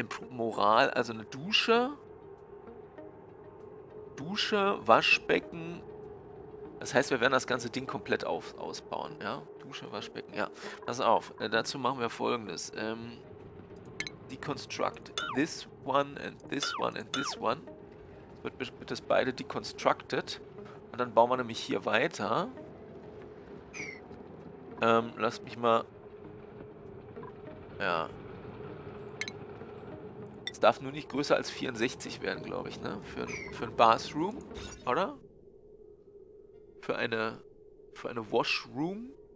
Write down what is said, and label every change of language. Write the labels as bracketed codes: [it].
[de] Moral, also eine Dusche. Dusche, Waschbecken. Das heißt, wir werden das ganze Ding komplett ausbauen, ja? Dusche, Waschbecken, ja. Pass auf, dazu machen wir Folgendes. [en] Deconstruct this one and this one and this one. [de] Das wird das beide deconstructed. Und dann bauen wir nämlich hier weiter. Lasst mich mal... Ja... Es darf nur nicht größer als 64 werden, glaube ich, ne? Für ein Bathroom, oder? Für eine Washroom.